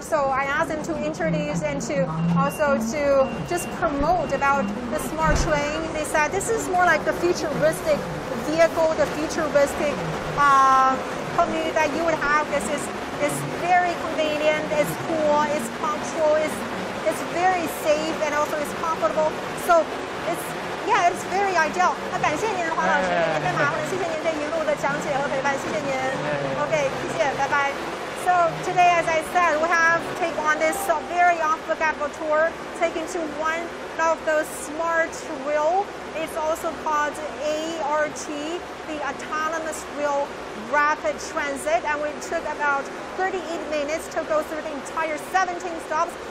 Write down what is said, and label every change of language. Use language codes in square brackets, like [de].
[en] So I asked them to introduce and to also to just promote about the smart train. They said this is more like the futuristic vehicle, the futuristic commute that you would have. This is very convenient, it's cool, it's comfortable, it's very safe, and also it's comfortable. So it's very ideal. [zh] 感谢您，黄老师，谢谢您的一路的讲解和陪伴，谢谢您。OK，谢谢，拜拜。 [en] So today, as I said, we have taken on this very unforgettable tour, taken to one of those smart rail. It's also called ART, the Autonomous Rail Rapid Transit. And we took about 38 minutes to go through the entire 17 stops.